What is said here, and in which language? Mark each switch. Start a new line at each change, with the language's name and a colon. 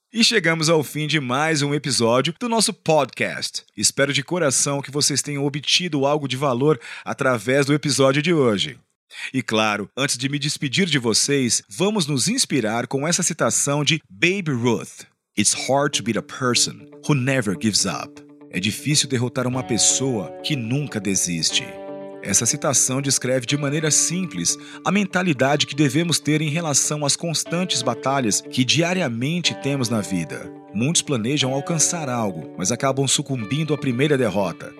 Portuguese: E chegamos ao fim de mais um episódio do nosso podcast. Espero de coração que vocês tenham obtido algo de valor através do episódio de hoje. E claro, antes de me despedir de vocês, vamos nos inspirar com essa citação de Babe Ruth.
English: It's hard to beat a person who never gives up.
Portuguese: É difícil derrotar uma pessoa que nunca desiste. Essa citação descreve de maneira simples a mentalidade que devemos ter em relação às constantes batalhas que diariamente temos na vida. Muitos planejam alcançar algo, mas acabam sucumbindo à primeira derrota.